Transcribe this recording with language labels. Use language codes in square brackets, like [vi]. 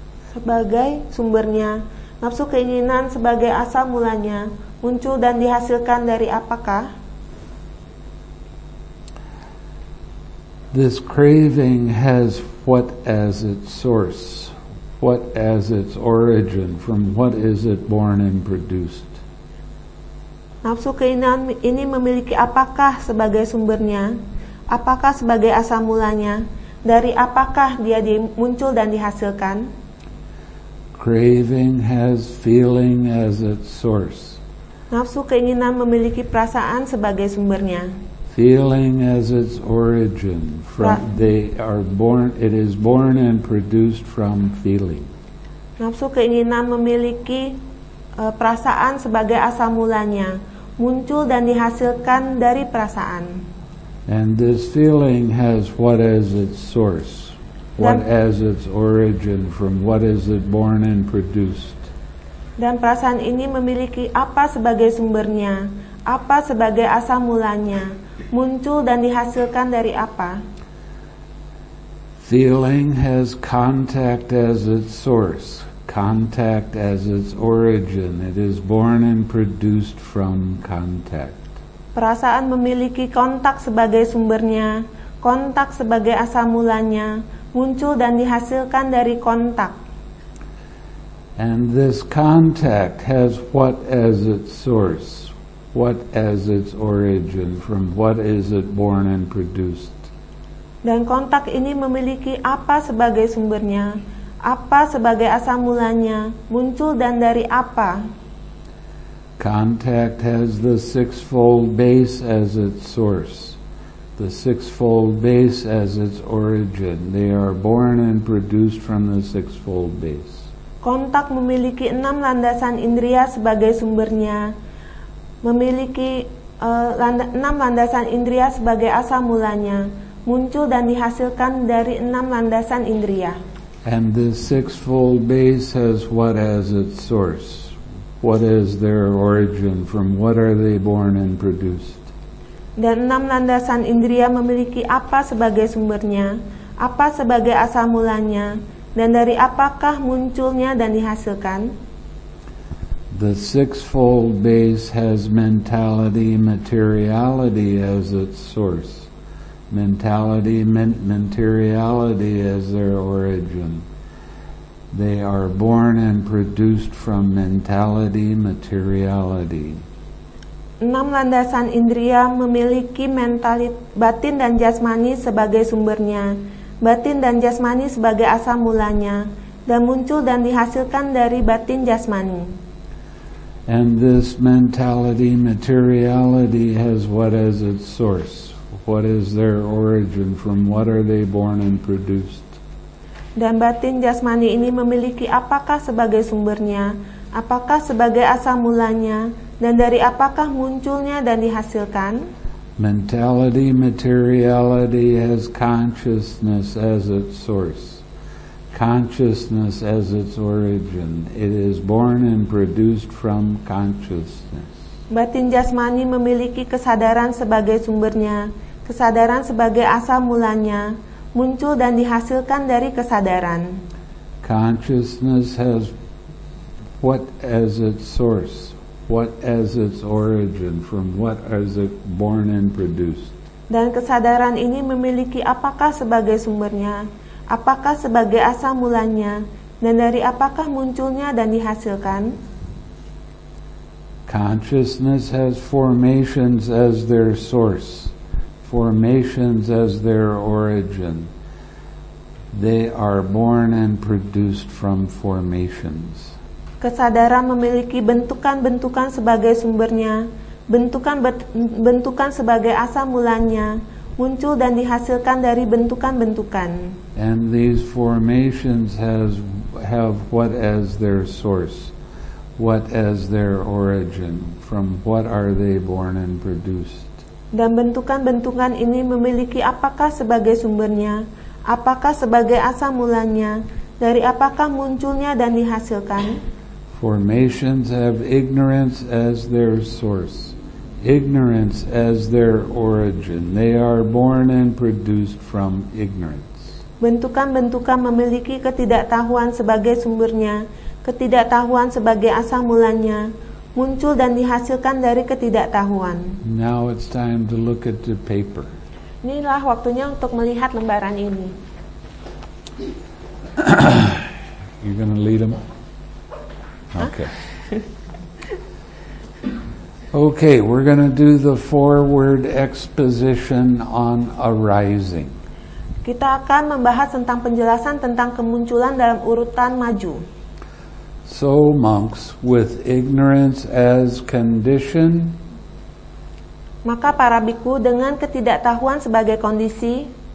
[id] Sebagai sumbernya, nafsu keinginan sebagai asal mulanya, muncul dan dihasilkan dari apakah? [en] This craving has what as its source? What as its origin? From what is it born and produced? [id] Nafsu keinginan ini memiliki apakah sebagai sumbernya? Apakah sebagai asal mulanya? Dari apakah dia muncul dan dihasilkan? [en] Craving has feeling as its source. [id] Nafsu keinginan memiliki perasaan sebagai sumbernya. [en] Feeling as its origin, from they are born. It is born and produced from feeling. [id] Nafsu keinginan memiliki perasaan sebagai asal mulanya, muncul dan dihasilkan dari perasaan. [en] And this feeling has what as its source, what as its origin, from what is it born and produced. [id] Dan perasaan ini memiliki apa sebagai sumbernya, apa sebagai asal mulanya. Muncul dan dihasilkan dari apa? [en] Feeling has contact as its source, contact as its origin. It is born and produced from contact. [id] Perasaan memiliki kontak sebagai sumbernya, kontak sebagai asal mulanya, muncul dan dihasilkan dari kontak. [en] And this contact has what as its source? What as its origin? From what is it born and produced? [id] Dan kontak ini memiliki apa sebagai sumbernya, apa sebagai asal mulanya, muncul dan dari apa? [en] Contact has the sixfold base as its source, the sixfold base as its origin. They are born and produced from the sixfold base. [id] Kontak memiliki enam landasan indria sebagai sumbernya. Memiliki enam landasan indria sebagai asal mulanya, muncul dan dihasilkan dari enam landasan indria. [en] And the sixfold base has what as its source? What is their origin? From what are they born and produced? [id] Dan enam landasan indria memiliki apa sebagai sumbernya, apa sebagai asal mulanya, dan dari apakah munculnya dan dihasilkan? [en] The sixfold base has mentality, materiality as its source. Mentality, materiality as their origin. They are born and produced from mentality, materiality. [id] Enam landasan indria memiliki mental batin dan jasmani sebagai sumbernya, batin dan jasmani sebagai asal mulanya, dan muncul dan dihasilkan dari batin jasmani. [en] And this mentality, materiality has what as its source? What is their origin? From what are they born and produced? [id] Dan batin jasmani ini memiliki apakah sebagai sumbernya, apakah sebagai asal mulanya, dan dari apakah munculnya dan dihasilkan? [en] Mentality, materiality has consciousness as its source. Consciousness as its origin. It is born and produced from consciousness. [id] Batin jasmani memiliki kesadaran sebagai sumbernya, kesadaran sebagai asal mulanya, muncul dan dihasilkan dari kesadaran. [en] Consciousness has what as its source, what as its origin, from what is it born and produced. [id] Dan kesadaran ini memiliki apakah sebagai sumbernya, apakah sebagai asal mulanya, dan dari apakah munculnya dan dihasilkan. [en] Consciousness has formations as their source, formations as their origin. They are born and produced from formations. [id] Kesadaran memiliki bentukan-bentukan sebagai sumbernya, bentukan-bentukan sebagai asal mulanya, muncul dan dihasilkan dari bentukan-bentukan. [en] And these formations have what as their source, what as their origin, from what are they born and produced? [id] Dan bentukan-bentukan ini memiliki apakah sebagai sumbernya, apakah sebagai asal mulanya, dari apakah munculnya dan dihasilkan. [en] Formations have ignorance as their source, ignorance as their origin. They are born and produced from ignorance. [id] Bentukan-bentukan memiliki ketidaktahuan sebagai sumbernya, ketidaktahuan sebagai asal mulanya, muncul dan dihasilkan dari ketidaktahuan. [en] Now it's time to look at the paper. [id] Inilah waktunya untuk melihat lembaran ini. [en] You're going to lead them? Okay. Okay, we're going to do the four-word exposition on arising. [id] Kita akan membahas tentang penjelasan tentang kemunculan dalam urutan maju. [en] So monks, with ignorance as condition. [id] Maka para bhikkhu dengan ketidaktahuan sebagai kondisi.